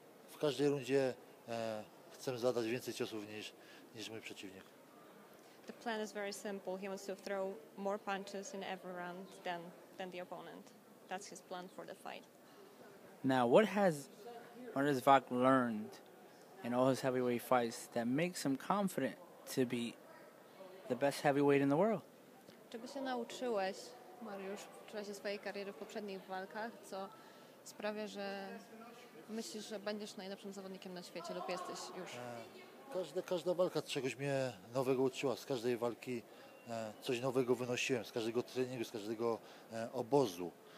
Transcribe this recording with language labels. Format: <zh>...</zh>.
<pl>W każdej rundzie chcę zadać więcej ciosów niż mój przeciwnik.</pl> <en>The plan is very simple. He wants to throw more punches in every round than the opponent. That's his plan for the fight. Now, what has Maurice Vak learned in all his heavyweight fights that makes him confident to be the best heavyweight in the world?</en> <pl>Czego się nauczyłeś, Mariusz, w czasie swojej kariery w poprzednich walkach, co sprawia, że myślisz, że będziesz najlepszym zawodnikiem na świecie lub jesteś już? Każda walka czegoś mnie nowego uczyła. Z każdej walki coś nowego wynosiłem, z każdego treningu, z każdego obozu.</pl>